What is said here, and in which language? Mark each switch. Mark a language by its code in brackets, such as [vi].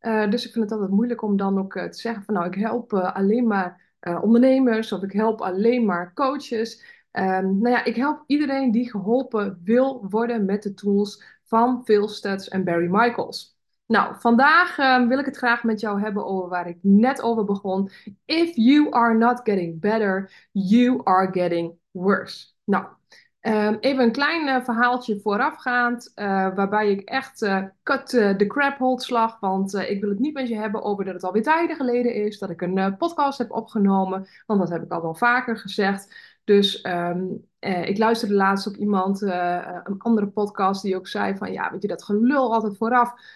[nl] Dus ik vind het altijd moeilijk om dan ook te zeggen van nou, ik help alleen maar ondernemers of ik help alleen maar coaches. Nou ja, ik help iedereen die geholpen wil worden met de tools van Phil Stutz en Barry Michaels. Nou, vandaag wil ik het graag met jou hebben over waar ik net over begon. [en] If you are not getting better, you are getting worse. [nl] Nou, even een klein verhaaltje voorafgaand, waarbij ik echt [en] cut the crap [nl] Holtslag, want ik wil het niet met je hebben over dat het alweer tijden geleden is dat ik een podcast heb opgenomen, want dat heb ik al wel vaker gezegd. Dus ik luisterde laatst ook iemand, een andere podcast, die ook zei van ja, weet je, dat gelul altijd vooraf.